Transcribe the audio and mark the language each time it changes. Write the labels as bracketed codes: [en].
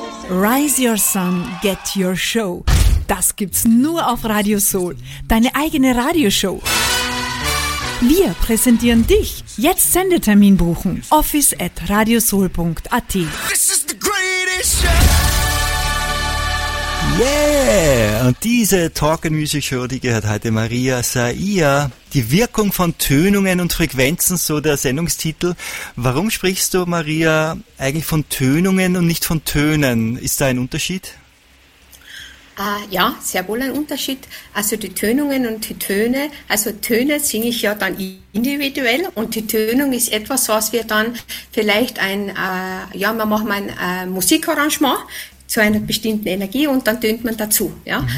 [en] Rise your sun, get your show. [de] Das gibt's nur auf Radio Soul. Deine eigene Radioshow. Wir präsentieren dich. Jetzt Sendetermin buchen. office@radiosoul.at. [en] This is the greatest show. Yeah! [de] Und diese Talk and Music Show, die gehört heute Maria Saia. Die Wirkung von Tönungen und Frequenzen, so der Sendungstitel. Warum sprichst du, Maria, eigentlich von Tönungen und nicht von Tönen? Ist da ein Unterschied? Ja, sehr wohl ein Unterschied. Also die Tönungen und die Töne, also Töne singe ich ja dann individuell und die Tönung ist etwas, was wir dann vielleicht wir machen ein Musikarrangement zu einer bestimmten Energie und dann tönt man dazu, ja. Mhm.